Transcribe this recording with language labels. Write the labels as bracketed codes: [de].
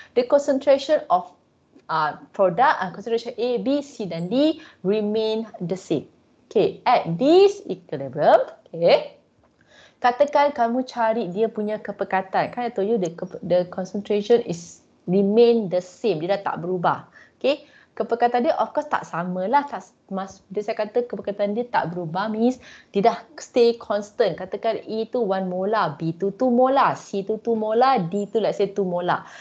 [en] The concentration of product, concentration A, B, C dan D remain the same. Okay, at this equilibrium, okay. [ms] Katakan kamu cari dia punya kepekatan. [en] Kan I told you the concentration is remain the same. [ms] Dia dah tak berubah. Okay. Kepekatan dia [en] of course [ms] tak samalah. Dia saya kata kepekatan dia tak berubah means dia dah [en] stay constant. [ms] Katakan A tu 1 molar, B tu 2 molar, C tu 2 molar, D tu [en] let's say [ms] 2 molar.